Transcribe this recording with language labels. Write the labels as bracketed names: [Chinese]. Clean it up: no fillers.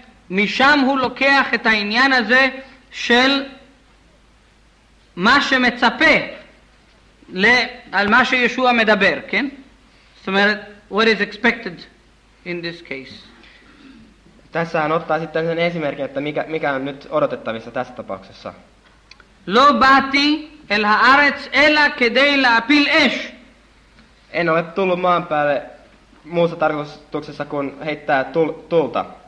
[Hebrew] משם הוא לוקח את העניין הזה של מה שמצפה על מה שישוע מדבר, כן? זאת אומרת, [English] what is expected in this case? [Finnish] Tässä hän ottaa sitten sen esimerkin, että mikä on nyt odotettavissa tässä tapauksessa. [Hebrew] לא באתי אל הארץ אלא כדי להפיל אש. [Finnish] En ole tullut maan päälle muussa tarkoituksessa kuin heittää tulta.